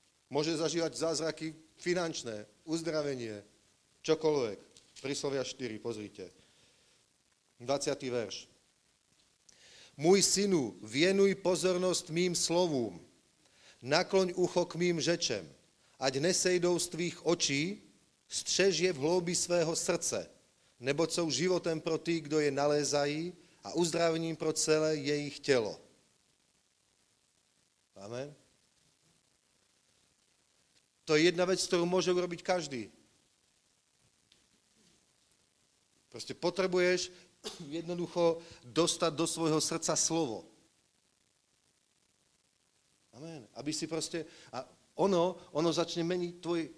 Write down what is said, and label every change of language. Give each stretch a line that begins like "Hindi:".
Slovak: Môže zažívať zázraky finančné, uzdravenie, čokoľvek. Príslovia 4, pozrite. 20. verš. Môj synu, venuj pozornosť mým slovom.
Czech: Nakloň ucho k mým řečem. Ať nesejdou z tvých očí, střež je v hloubi svého srdce, nebo sú životem pro tí, kdo je nalézají, a uzdravením pro celé jejich tělo.
Slovak: Amen. To je jedna vec, ktorú môže urobiť každý. Proste potrebuješ jednoducho dostať do svojho srdca slovo. Amen. Aby si proste... A ono začne meniť tvoj...